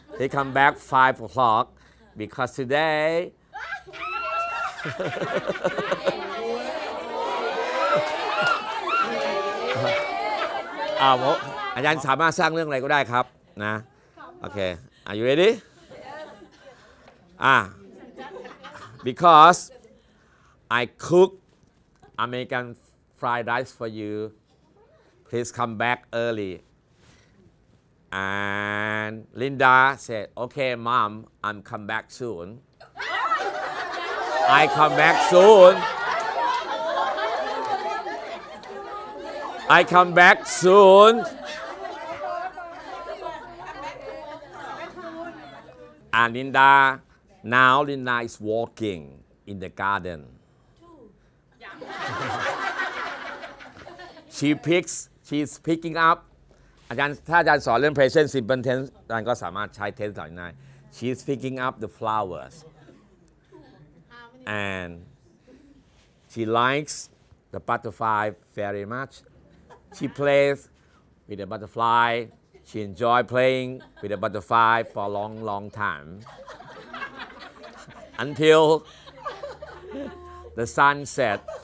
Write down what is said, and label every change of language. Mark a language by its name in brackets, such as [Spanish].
[English] Please come back 5 o'clock, because today. [Thai] อาจารย์สามารถสร้างเรื่องอะไรก็ได้ครับนะโอเค [English] Are you ready? Because I cook American fried rice for you. Please come back early. And Linda said, "Okay, Mom, I'm come back soon. I come back soon. I come back soon. And Linda, now Linda is walking in the garden. She's picking up. [Thai] อาจารย์ถ้าอาจารย์สอนเรื่อง present simple tense อาจารย์ก็สามารถใช้ tense ได้ [English] She's picking up the flowers and she likes the butterfly very much. She plays with the butterfly. She enjoy playing with the butterfly for a long, long time until the sun set.